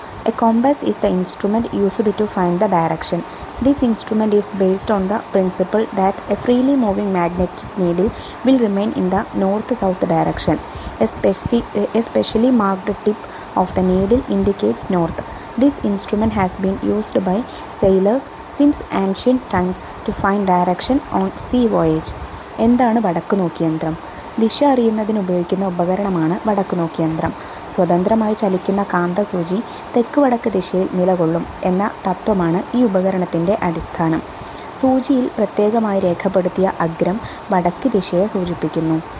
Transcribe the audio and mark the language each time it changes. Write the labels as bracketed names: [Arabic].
[English] A compass is the instrument used to find the direction. This instrument is based on the principle that a freely moving magnetic needle will remain in the north south direction. A specially marked tip of the needle indicates north. This instrument has been used by sailors since ancient times to find direction on sea voyage. [Malayalam] എന്താണ് വടക്കു നോക്കിയന്ത്രം? ദിശ അറിയുന്നതിന് ഉപയോഗിക്കുന്ന ഉപകരണമാണ് വടക്കു നോക്കിയന്ത്രം. സ്വതന്ത്രമായി ചലിക്കുന്ന കാന്തസൂചി തെക്ക് വടക്ക് ദിശയിൽ നിലകൊള്ളും എന്ന തത്വമാണ് ഈ ഉപകരണത്തിൻ്റെ അടിസ്ഥാനം. സൂചിയിൽ പ്രത്യേകമായി രേഖപ്പെടുത്തിയ അഗ്രം വടക്ക് ദിശയെ സൂചിപ്പിക്കുന്നു.